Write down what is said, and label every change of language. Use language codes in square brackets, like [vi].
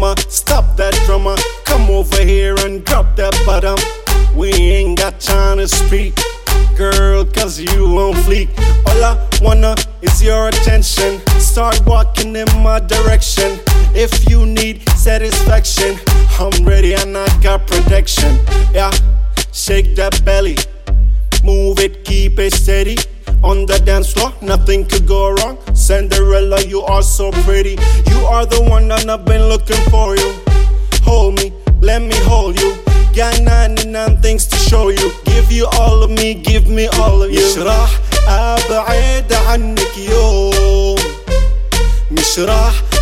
[en] Stop that drama, come over here and drop that bottom. We ain't got time to speak, girl, cause you on fleek. All I wanna is your attention. Start walking in my direction. If you need satisfaction, I'm ready and I got protection. Yeah, shake that belly, move it, keep it steady. On the dance floor, nothing could go wrong. Cinderella, you are so pretty. You are the one that I've been looking for you. Hold me, let me hold you. Got 99 things to show you. Give you all of me, give me all of you. [ar] مش راح أبعد عنك يوم مش راح